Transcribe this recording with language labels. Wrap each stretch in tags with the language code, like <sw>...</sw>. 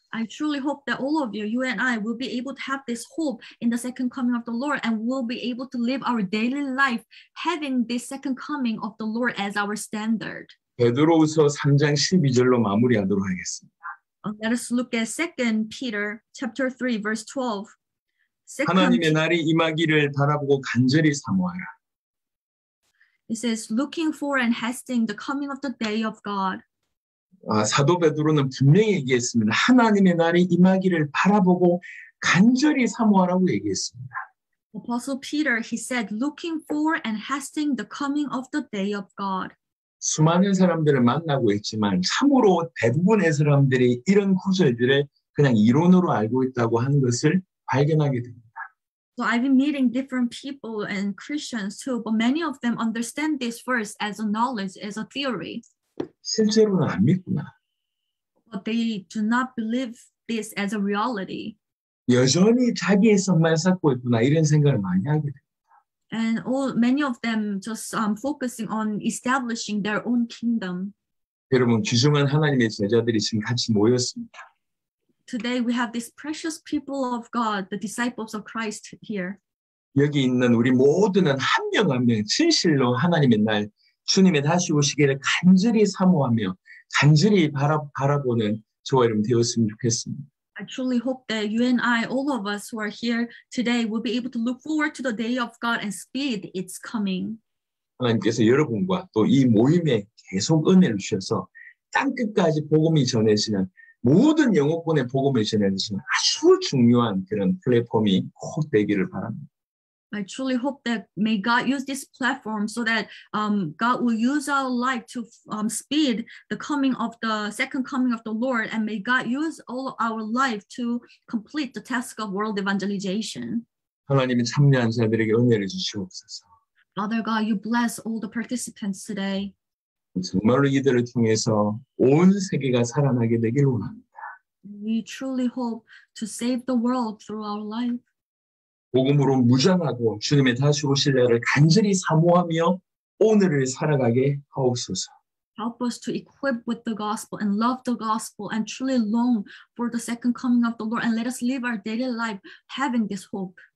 <en>I truly hope that all of you, you and I, will be able to have this hope in the second coming of the Lord and will be able to live our daily life having this second coming of the Lord as our standard.</en> <ko>베드로후서 3장 12절로 마무리하도록 하겠습니다.</ko> <en>Let us look at 2 Peter chapter 3, verse 12.</en> <ko>하나님의 날이 임하기를 바라보고 간절히 사모하라.</ko> <en>It says, looking for and hastening the coming of the day of God.</en> <ko>사도 베드로는 분명히 얘기했습니다. 하나님의 날이 임하기를 바라보고 간절히 사모하라고 얘기했습니다.</ko> <en>Apostle Peter, he said, looking for and hastening the coming of the day of God.</en> <ko>수많은 사람들을 만나고 있지만 참으로 대부분의 사람들이 이런 구절들을 그냥 이론으로 알고 있다고 하는 것을 발견하게 됩니다.</ko> <en>So I've been meeting different people and Christians too, but many of them understand this verse as a knowledge, as a theory.</en> <ko>실제로는 안 믿구나.</ko> <en>But they do not believe this as a reality.</en> <ko>여전히 자기의 성만 쌓고 있구나 이런 생각을 많이 하게 돼.</ko> <en>And all many of them just focusing on establishing their own kingdom.</en> <ko>여러분 귀중한 하나님의 제자들이 지금 같이 모였습니다.</ko> <en>Today we have this precious people of God, the disciples of Christ here.</en> <ko>여기 있는 우리 모두는 한 명 한 명 진실로 하나님의 날 주님의 다시 오시기를 간절히 사모하며 간절히 바라보는 저와 여러분 되었으면 좋겠습니다.</ko> <en>I truly hope that you and I, all of us who are here today, will be able to look forward to the day of God and speed its coming.</en> <ko>하나님께서 여러분과 또 이 모임에 계속 은혜를 주셔서 땅 끝까지 복음이 전해지는 모든 영혼권의 복음을 전해지는 아주 중요한 그런 플랫폼이 꼭 되기를 바랍니다.</ko> <en>I truly hope that may God use this platform so that God will use our life to speed the coming of the second coming of the Lord and may God use all our life to complete the task of world evangelization.</en> <ko>하나님이 참여한 자들에게 은혜를 주시옵소서.</ko> <en>Father God, you bless all the participants today.</en> <ko>정말로 이들을 통해서 온 세계가 살아나게 되기를 원합니다.</ko> <en>We truly hope to save the world through our life.</en> <ko>복음으로 무장하고 주님의 다시 오실 날을 간절히 사모하며 오늘을 살아가게 하옵소서.</ko> <en>Help us to equip with the gospel and love the gospel and truly long for the second coming of the Lord and let us live our daily life having this hope.</en>